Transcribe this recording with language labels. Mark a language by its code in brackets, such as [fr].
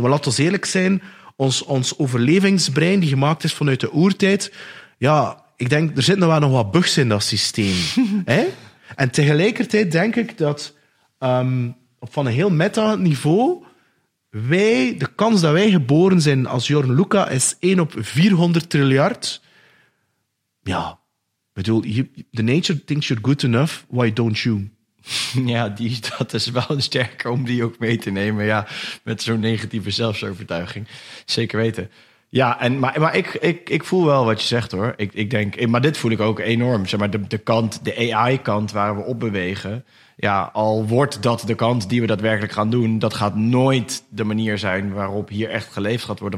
[nl] Wel, laat ons eerlijk zijn, ons overlevingsbrein, die gemaakt is vanuit de oertijd, ja, ik denk, er zitten wel nog wat bugs in dat systeem. Hè? En tegelijkertijd denk ik dat op van een heel meta-niveau... Wij, de kans dat wij geboren zijn als Jorn Luka is 1 op 400 triljard. Ja, ik bedoel, [en] the nature thinks you're good enough, why don't you? [nl] Ja, dat is wel een sterke om die ook mee te nemen, ja, met zo'n negatieve zelfsovertuiging. Zeker weten. Ja, en, maar ik voel wel wat je zegt, hoor. Ik denk, maar dit voel ik ook enorm, zeg maar, de AI-kant waar we op bewegen... Ja, al wordt dat de kant die we daadwerkelijk gaan doen... dat gaat nooit de manier zijn waarop hier echt geleefd gaat worden.